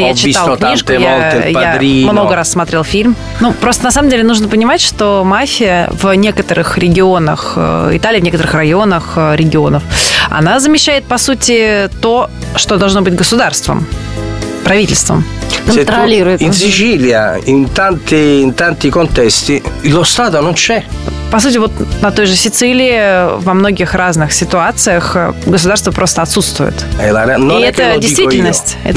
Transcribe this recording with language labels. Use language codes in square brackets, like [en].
[ru] я читал книжку, я много раз смотрел фильм. Просто на самом деле нужно понимать, что мафия в некоторых регионах Италии, в некоторых районах регионов, она замещает, по сути, то, что должно быть государством, правительством. Контролирует. В Сицилии, в [it] tanti contesti, lo Stato non c'è. [ru] По сути, вот на той же Сицилии во многих разных ситуациях государство просто отсутствует. И это действительность.